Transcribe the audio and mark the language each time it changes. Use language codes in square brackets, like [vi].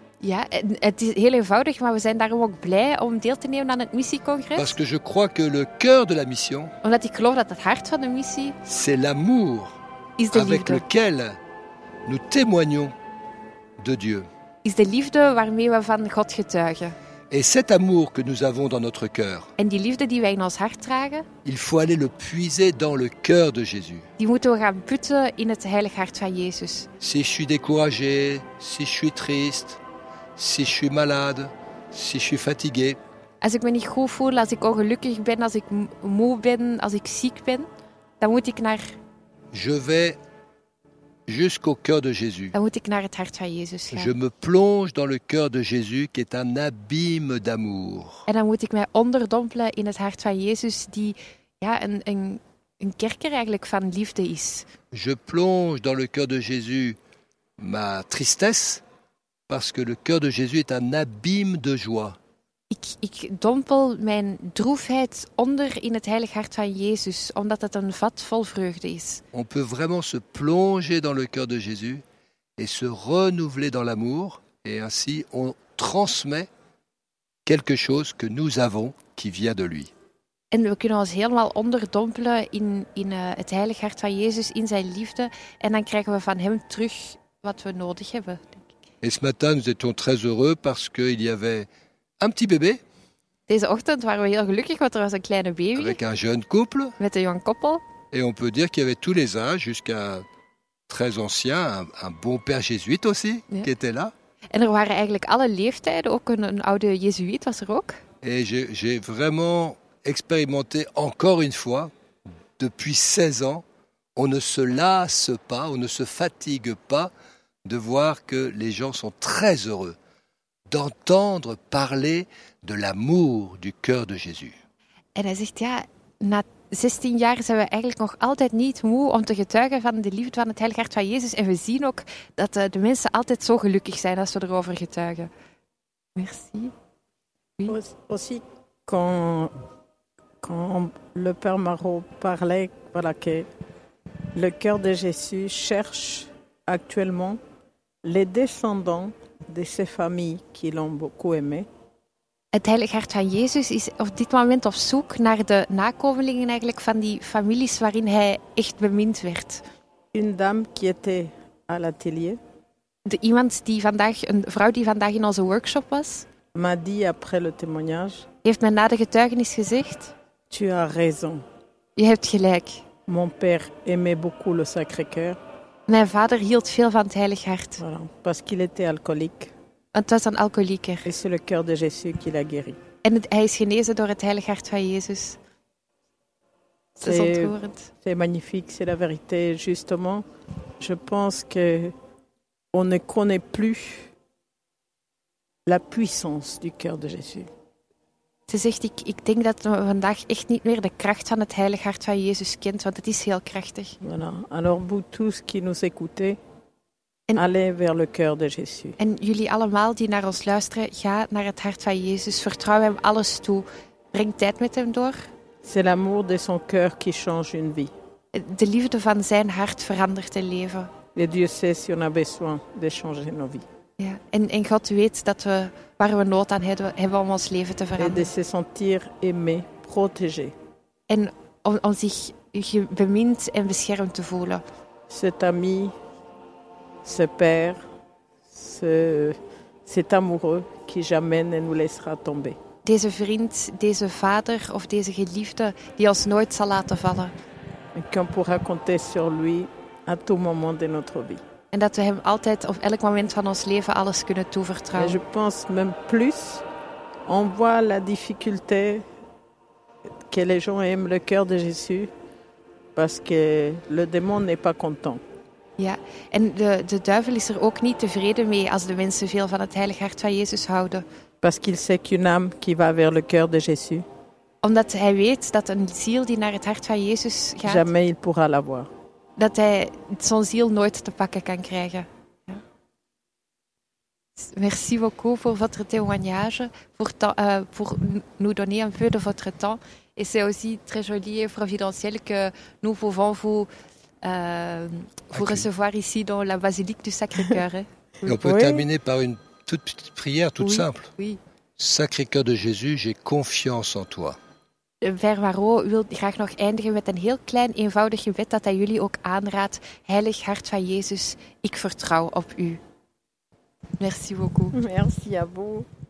[nl] Ja, het is heel eenvoudig, maar we zijn daarom ook blij om deel te nemen aan het missiecongres. [fr] Parce que je crois que le cœur de la mission. [nl] Omdat ik geloof dat het hart van de missie. [fr] C'est l'amour. [nl] Is de [fr] avec [nl] liefde. [fr] Lequel nous témoignons de Dieu. [nl] Is de liefde waarmee we van God getuigen. [fr] Et cet amour que nous avons dans notre cœur. [nl] En die liefde die wij in ons hart dragen. [fr] Il faut aller le puiser dans le cœur de Jésus. [nl] Die moeten we gaan putten in het heilig hart van Jezus. [fr] Si je suis découragé, si je suis triste. Si je suis malade, si je suis fatigué. [nl] Als ik me niet goed voel, als ik ongelukkig ben, als ik moe ben, als ik ziek ben, dan moet ik naar. [fr] Je vais jusqu'au cœur de Jésus. [nl] Dan moet ik naar het hart van Jezus gaan. [fr] Je me plonge dans le cœur de Jésus qui est un abîme d'amour. [nl] En dan moet ik mij onderdompelen in het hart van Jezus die ja, een kerker eigenlijk van liefde is. [fr] Je plonge dans le cœur de Jésus ma tristesse. Parce que le cœur de Jésus est un abîme de joie. [nl] Ik dompel mijn droefheid onder in het heilig hart van Jezus, omdat het een vat vol vreugde is. [fr] On peut vraiment se plonger dans le cœur de Jésus et se renouveler dans l'amour. Et ainsi, on transmet quelque chose que nous avons qui vient de lui. [nl] En we kunnen ons helemaal onderdompelen in het heilig hart van Jezus, in zijn liefde. En dan krijgen we van hem terug wat we nodig hebben. [fr] Et ce matin, nous étions très heureux parce qu'il y avait un petit bébé. [nl] Deze ochtend waren we heel gelukkig, want er was een kleine baby. [fr] Avec un jeune couple. [nl] Met een jong koppel. [fr] Et on peut dire qu'il y avait tous les âges, jusqu'à très ancien, un bon père jésuïte aussi, ja. Qui était là. [nl] En er waren eigenlijk alle leeftijden, ook een oude jésuïte was er ook. [fr] Et j'ai vraiment expérimenté encore une fois, depuis 16 ans, on ne se lasse pas, on ne se fatigue pas, de voir que les gens sont très heureux d'entendre parler de l'amour du cœur de Jésus. [nl] En hij zegt ja, na 16 jaar zijn we eigenlijk nog altijd niet moe om te getuigen van de liefde van het heilige hart van Jezus en we zien ook dat de mensen altijd zo gelukkig zijn als we erover getuigen. [fr] Merci. Oui. Aussi quand le père Marot parlait voilà que le cœur de Jésus cherche actuellement les descendants de ces familles qui l'ont beaucoup aimé. [nl] Het heilig hart van Jezus is op dit moment op zoek naar de nakomelingen eigenlijk van die families waarin hij echt bemind werd. [fr] Une dame qui était à l'atelier. [nl] Een vrouw die vandaag in onze workshop was. [fr] M'a dit après le témoignage. [nl] Heeft mij na de getuigenis gezegd. [fr] Tu as raison. [nl] Je hebt gelijk. [fr] Mon père aimait beaucoup le Sacré-Cœur. [nl] Mijn vader hield veel van het heilig hart. [fr] Voilà, parce qu'il était alcoolique. [nl] Het was een alcoolieker. [fr] Et c'est le cœur de Jésus qui l'a guéri. [nl] En hij is genezen door het heilig hart van Jezus. [fr] C'est [nl] ontroerend. [fr] C'est magnifique, c'est la vérité. Justement, je pense que on ne connaît plus la puissance du cœur de Jésus. [nl] Ze zegt, ik denk dat we vandaag echt niet meer de kracht van het heilig hart van Jezus kent, want het is heel krachtig. [fr] Voilà. Alors, vous tous qui nous écoutez, allez vers le cœur de Jésus. [nl] En jullie allemaal die naar ons luisteren, ga naar het hart van Jezus. Vertrouw hem alles toe. Breng tijd met hem door. [fr] C'est l'amour de son cœur qui change une vie. [nl] De liefde van zijn hart verandert een leven. [fr] Et Dieu sait si on a besoin de changer nos vies. [nl] Ja, en God weet dat we waar we nood aan hebben om ons leven te veranderen. [fr] Et de se sentir aimé, protégé. [nl] En om zich bemind en beschermd te voelen. [fr] Cet ami, ce père, cet amoureux qui jamais ne nous laissera tomber. [nl] Deze vriend, deze vader of deze geliefde die ons nooit zal laten vallen. [fr] Et qu'on pourra compter sur lui à tout moment de notre vie. [nl] En dat we hem altijd op elk moment van ons leven alles kunnen toevertrouwen. [fr] Et je pense même plus, on voit la difficulté que les gens aiment le cœur de Jésus, parce que le démon n'est pas content. [nl] Ja, en de duivel is er ook niet tevreden mee als de mensen veel van het heilig hart van Jezus houden. [fr] Parce qu'il sait qu'une âme qui va vers le cœur de Jésus. [nl] Omdat hij weet dat een ziel die naar het hart van Jezus gaat. [fr] Jamais il pourra l'avoir. [nl] Dat hij zijn ziel nooit te pakken kan krijgen. Ja. [fr] Merci beaucoup pour votre témoignage, pour nous donner un peu de votre temps. Et c'est aussi très joli et providentiel que nous pouvons vous recevoir ici dans la basilique du Sacré-Cœur. Et on peut terminer par une toute petite prière, toute oui, simple. Oui. Sacré cœur de Jésus, j'ai confiance en toi. [nl] Père Marot wil graag nog eindigen met een heel klein, eenvoudig gebed dat hij jullie ook aanraadt. Heilig hart van Jezus, ik vertrouw op u. [fr] Merci beaucoup. Merci à vous.